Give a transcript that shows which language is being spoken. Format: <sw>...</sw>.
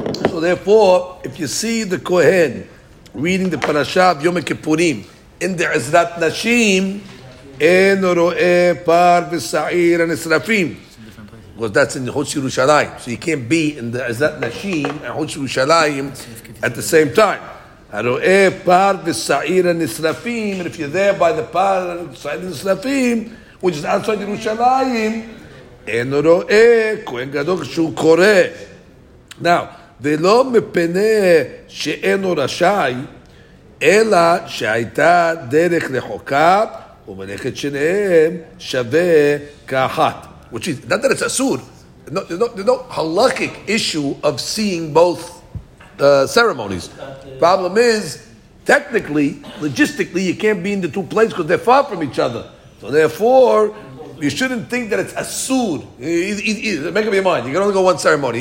<en>So therefore, if you see the kohen reading the parasha of Yom Kippurim in the Izrat Nashim,</en> <he>en ro'eh par v'sa'ir anisrafim.</he> <en>Because that's in Chutz Yerushalayim. So you can't be in the Izrat Nashim and Chutz Yerushalayim at the same time.</en> <he>הרואה פר וסעיר הנשרפים,</he> <en>and if you're there by the</en> <he>פר וסעיר הנשרפים,</he> <en>which is outside</en> <he>ירושלים, אין רואה כהן גדול כשהוא קורא. Now, ולא מפני שאינו רשאי, אלא שהייתה דרך לחוקה, ומלאכת שניהם שווה כאחת.</he> <en>Which is, not that it's אסור, no halakhic issue of seeing both ceremonies. Problem is, technically, logistically, you can't be in the two places because they're far from each other. So therefore, you shouldn't think that it's asur. Make up your mind. You can only go one ceremony.</en>